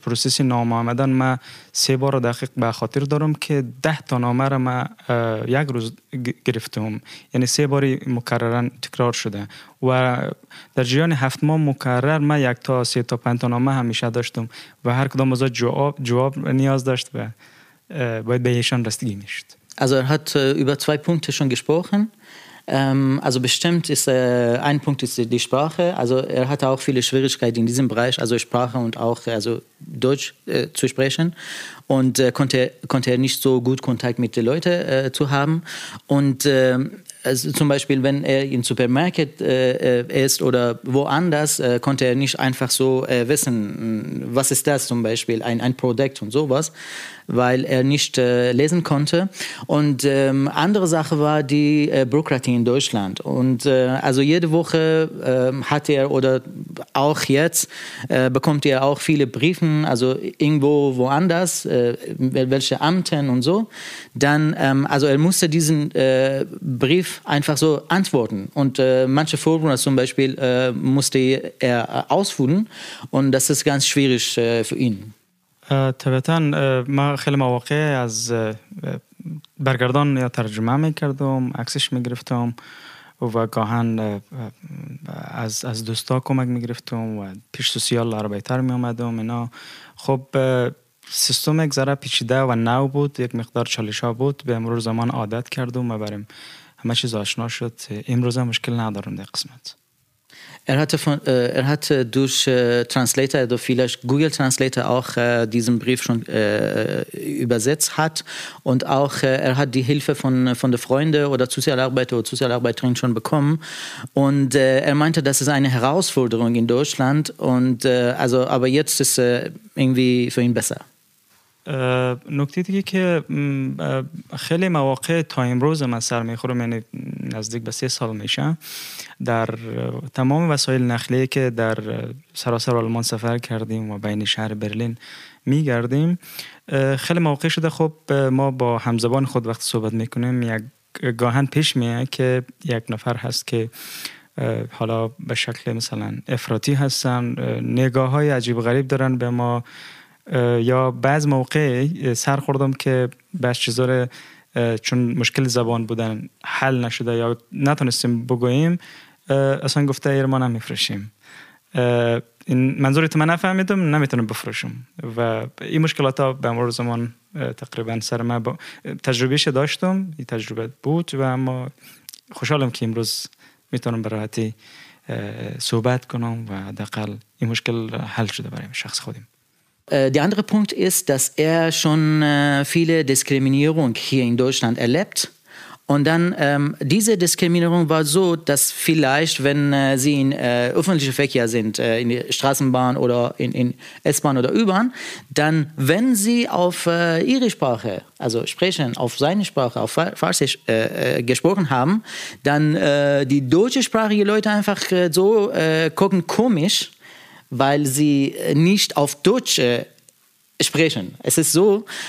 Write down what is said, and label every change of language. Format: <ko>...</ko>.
<fa>پروسیس نامه آمدن من 3 بار دقیق به خاطر دارم که 10 تا نامه را من یک روز گرفتم، یعنی 3 باری مکررن تکرار شده و در جریان 7 ماه مکرر من 1 تا 3 تا 5 تا نامه همیشه داشتم و هر کدام از جواب نیاز داشت و باید به ایشان رسیدگی می شد.</fa> <de>از ارهات über 2 Punkte schon gesprochen. Also bestimmt ist ein Punkt ist die Sprache. Also er hatte auch viele Schwierigkeiten in diesem Bereich, also Sprache und auch also Deutsch zu sprechen. Und konnte er nicht so gut Kontakt mit den Leuten zu haben. Und also zum Beispiel, wenn er im Supermarkt ist oder woanders, konnte er nicht einfach so wissen, was ist das zum Beispiel, ein Produkt und sowas, weil er nicht lesen konnte. Und andere Sache war die Bürokratie in Deutschland. Und also jede Woche hat er oder auch jetzt bekommt er auch viele Briefe, also irgendwo woanders, welche Amten und so. Dann, also er musste diesen Brief einfach so antworten und manche Vorwürfe zum Beispiel musste er ausführen und das ist ganz schwierig für ihn.</de> <fa>طبعاً ما خیلی مواقع از برگردان یا ترجمه میکردم، عکسش میگرفتم و گاهن از دوستا کمک میگرفتم و پیش سوسیال عربیتر میامدم اینا. خب سیستم یک ذره پیچیده و نو بود، یک مقدار چالش ها بود، به مرور زمان عادت کردم و بریم همه چیز آشنا شد. امروز هم مشکل ندارم در قسمت.</fa> <de>Er hat durch Translator oder vielleicht Google Translator auch diesen Brief schon übersetzt hat und auch er hat die Hilfe von der Freunde oder Sozialarbeiter oder Sozialarbeiterin schon bekommen und er meinte, das ist eine Herausforderung in Deutschland und also aber jetzt ist irgendwie für ihn besser.</de> <fa>نکته دیگه که خیلی مواقع تا امروز من سر میخورم، یعنی نزدیک به 3 سال میشه، در تمام وسایل نقلیه که در سراسر آلمان سفر کردیم و بین شهر برلین میگردیم. خیلی موقع شده خب ما با همزبان خود وقت صحبت میکنیم، یک گاهن پیش میه که یک نفر هست که حالا به شکل مثلا افراطی هستن، نگاه های عجیب غریب دارن به ما، یا بعض موقع سر خوردم که بعض چیزا رو چون مشکل زبان بودن حل نشده یا نتونستیم بگوییم اصلا گفته ایر ما نمیفروشیم. این منظوری تو من نفهمیدم، نمیتونم بفروشم و این مشکلات ها به امور زمان تقریبا سر من تجربهش داشتم، این تجربه بود و اما خوشحالم که امروز میتونم براحتی صحبت کنم و حداقل این مشکل حل شده برای شخص خودم.</fa> <de>Der andere Punkt ist, dass er schon viele Diskriminierung hier in Deutschland erlebt. Und dann diese Diskriminierung war so, dass vielleicht, wenn sie in öffentlichen Verkehr sind, in die Straßenbahn oder in S-Bahn oder U-Bahn, dann wenn sie auf ihre Sprache, also sprechen, auf seine Sprache, auf Farsi gesprochen haben, dann die deutschsprachige Leute einfach so gucken komisch, weil sie nicht auf Deutsch sprechen. Es ist so.</de>